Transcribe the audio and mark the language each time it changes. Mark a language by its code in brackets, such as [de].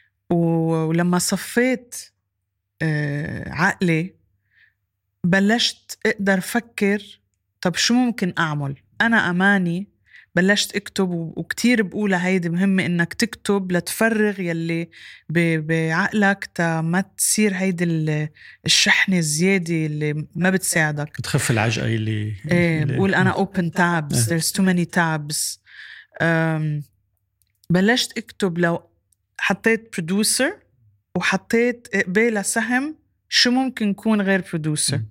[ar] ولما صفيت عقلي بلشت أقدر أفكر طب شو ممكن أعمل. أنا أماني بلشت اكتب، وكتير بقول هيدي مهمة انك تكتب لتفرغ يلي بعقلك، تا ما تصير هيدي الشحنة الزيادة اللي ما بتساعدك، بتخف العجقة اللي بقول انا [en] open tabs there's too many tabs. [ar] بلشت اكتب، لو حطيت producer وحطيت قبالة سهم شو ممكن يكون غير producer.